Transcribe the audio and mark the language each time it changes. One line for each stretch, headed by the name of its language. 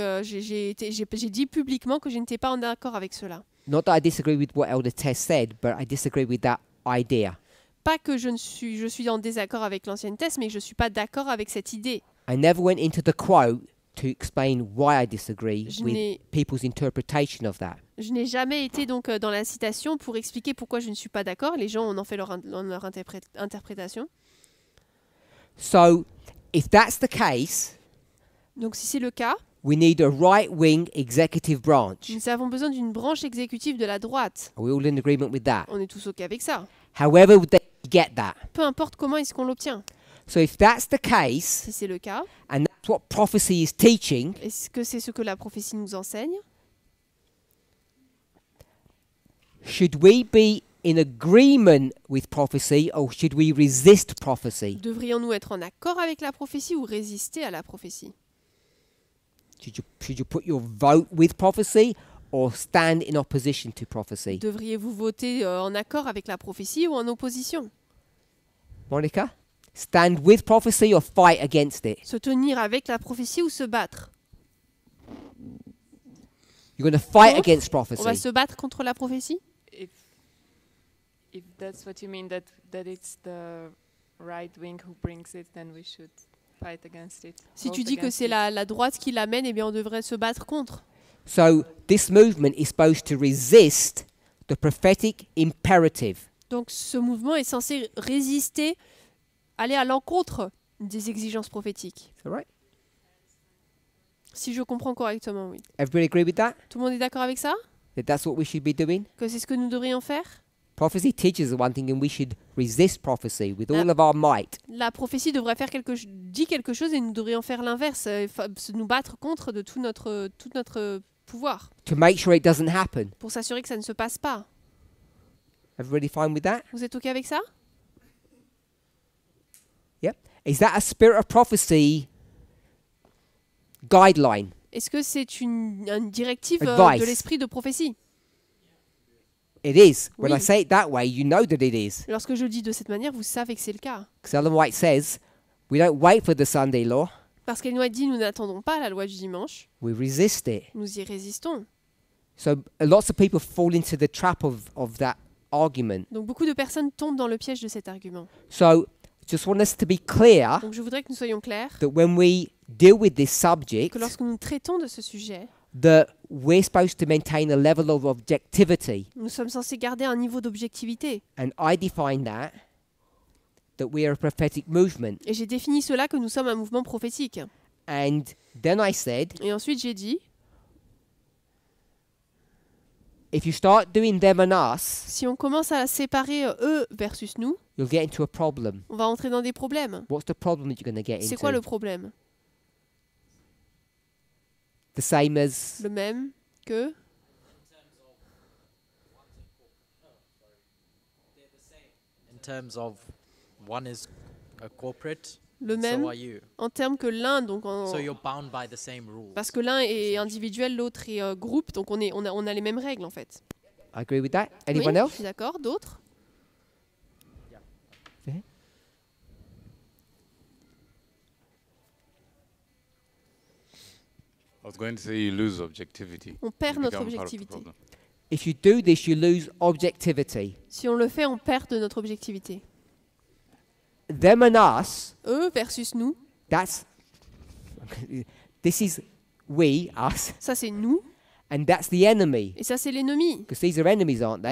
French: J'ai dit publiquement que je n'étais pas en accord avec cela.
English: Not that I disagree with what Elder Tess said, but I disagree with that idea.
French: Pas que je suis en désaccord avec l'ancienne thèse, mais je ne suis pas d'accord avec cette idée.
English: I never went into the quote to explain why I disagree with people's interpretation of that.
French: Je n'ai jamais été donc dans la citation pour expliquer pourquoi je ne suis pas d'accord. Les gens ont fait leur interprétation.
English: So, if that's the case,
French: donc si c'est le cas,
English: we need a right-wing executive branch.
French: Nous avons besoin d'une branche exécutive de la droite.
English: Are we all in agreement with that?
French: On est tous OK avec ça.
English: However, would they get that?
French: Peu importe comment est-ce qu'on l'obtient.
English: So if that's the case,
French: si c'est le cas,
English: and that's what prophecy is teaching,
French: est-ce que c'est ce que la prophétie nous enseigne?
English: Should we be in agreement with prophecy or should we resist prophecy?
French: Devrions-nous être en accord avec la prophétie ou résister à la prophétie?
English: Should you put your vote with prophecy? Or stand in opposition to prophecy.
French: Devriez-vous voter en accord avec la prophétie ou en opposition?
English: Monica, stand with prophecy or fight against it.
French: Se tenir avec la prophétie ou se battre?
English: You're going to fight against prophecy.
French: On va se battre contre la prophétie?
English: If that's what you mean that it's the right wing who brings it, then we should fight against it.
French: Si tu dis que c'est la droite qui l'amène, eh bien on devrait se battre contre.
English: So this movement is supposed to resist the prophetic imperative.
French: Donc ce mouvement est censé résister, aller à l'encontre des exigences prophétiques.
English: Is that right?
French: Si je comprends correctement, oui.
English: Everybody agree with that?
French: Tout le monde est d'accord avec ça?
English: That that's what we should be doing?
French: Que c'est ce que nous devrions faire?
English: Prophecy teaches one thing, and we should resist prophecy with all of our might.
French: La prophétie devrait faire quelque dit quelque chose, et nous devrions faire l'inverse, nous battre contre de tout notre pouvoir.
English: To make sure it doesn't happen.
French: Pour s'assurer que ça ne se passe pas.
English: Everybody fine with that?
French: Vous êtes OK avec ça?
English: Yep. Is that a spirit of prophecy guideline?
French: Est-ce que c'est une directive advice de l'esprit de prophétie?
English: It is. Oui. When I say it that way, you know that it is.
French: Lorsque je le dis de cette manière, vous savez que c'est le cas.
English: Because Ellen White says, we don't wait for the Sunday law.
French: Parce qu'Ellen White dit, nous n'attendons pas la loi du dimanche.
English: We resist it.
French: Nous y résistons.
English: So lots of people fall into the trap of that argument.
French: Donc beaucoup de personnes tombent dans le piège de cet argument.
English: So just want us to be clear.
French: Donc je voudrais que nous soyons clairs.
English: That when we deal with this subject,
French: que lorsque nous traitons de ce sujet,
English: that we're supposed to maintain a level of objectivity.
French: Nous sommes censés garder un niveau d'objectivité.
English: And I define that we are a prophetic movement.
French: Et j'ai défini cela que nous sommes un mouvement prophétique.
English: And then I said,
French: et ensuite j'ai dit,
English: if you start doing them and us,
French: si on commence à séparer eux versus nous,
English: you'll get into a problem.
French: On va entrer dans des problèmes.
English: What's the problem that you're going to get into?
French: C'est quoi le problème?
English: The same as
French: le même que
English: in terms of one is a corporate,
French: le même
English: so are you.
French: En termes que l'un donc en,
English: so you're bound by the same rules.
French: Parce que l'un est individuel, l'autre est groupe, donc on a les mêmes règles en fait.
English: I agree with that. Anyone
French: oui,
English: else?
French: Je suis d'accord. D'autres?
English: I was going to say you lose objectivity.
French: On perd notre objectivité.
English: If you do this, you lose objectivity.
French: Si on le fait, on perd de notre objectivité.
English: Them and us.
French: Eux versus nous.
English: That's. This is we us.
French: Ça c'est nous.
English: And that's the enemy.
French: Et ça c'est l'ennemi.
English: Because these are enemies, aren't they?